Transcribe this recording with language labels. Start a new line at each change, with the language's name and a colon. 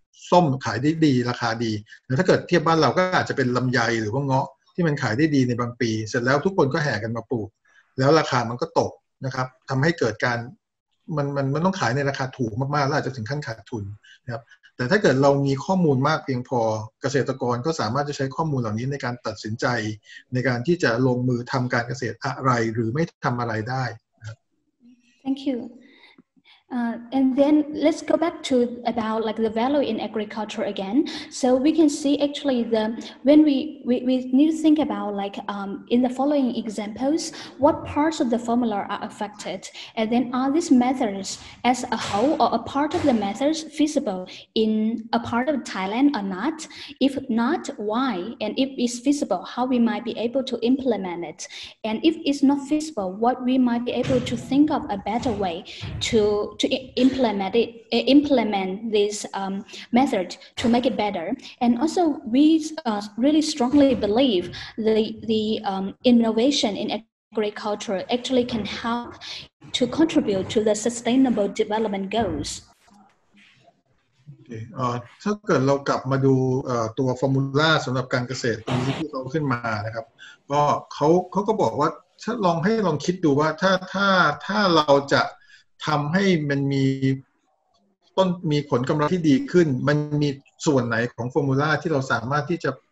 Thai: ส้มขายได้ดีราคาดีแต่ถ้าเกิดเทียบบ้านเราก็อาจจะเป็นลำไยหรือว่าเงาะที่มันขายได้ดีในบางปีเสร็จแล้วทุกคนก็แห่กันมาปลูกแล้วราคามันก็ตกนะครับทำให้เกิดการมันต้องขายในราคาถูกมากๆแล้วอาจจะถึงขั้นขาดทุนนะครับแต่ถ้าเกิดเรามีข้อมูลมากเพียงพอเกษตรกรก็สามารถจะใช้ข้อมูลเหล่านี้ในการตัดสินใจในการที่จะลงมือทำการเกษตรอะไรหรือไม่ทำอะไรได้นะ
English: Thank youAnd then let's go back to about like the value in agriculture again. So we can see actually when we need to think about like in the following examples, what parts of the formula are affected? And then are these methods as a whole or a part of the methods feasible in a part of Thailand or not? If not, why? And if it's feasible, how we might be able to implement it? And if it's not feasible, what we might be able to think of a better way to implement this method to make it better. And also we really strongly believe the innovation in agriculture actually can help to contribute to the sustainable development goals.
Thai: ถ้าเกิดเรากลับมาดูตัวฟอร์มูลาสำหรับการเกษตรตรงนี้ที่เราขึ้นมานะครับก็เขาก็บอกว่าถ้าลองคิดดูว่าถ้าเราจะทำให้มันมีต้นมีผลกำไรที่ดีขึ้นมันมีส่วนไหนของฟอร์มูลาที่เราสามารถที่จะ